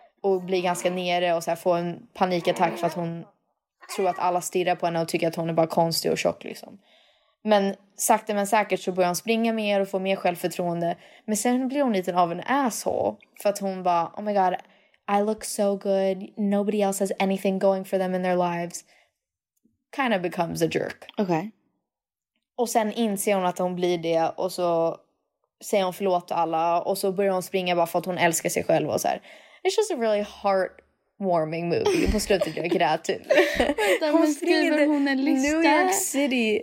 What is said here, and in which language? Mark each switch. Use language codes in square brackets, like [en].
[sv] Och blir ganska nere och så här får en panikattack för att hon tror att alla stirrar på henne och tycker att hon är bara konstig och tjock liksom. Men sakta men säkert så börjar hon springa mer och få mer självförtroende. Men sen blir hon lite av en asshole. För att hon bara, [en] oh my god, I look so good. Nobody else has anything going for them in their lives. Kind of becomes a jerk. Okay. [sv] Och sen inser hon att hon blir det. Och så säger hon förlåt till alla. Och så börjar hon springa bara för att hon älskar sig själv. Och så här. [en] It's just a really heartwarming movie. [sv] På slutet jag grät. Hon skriver hon en lista. New York City.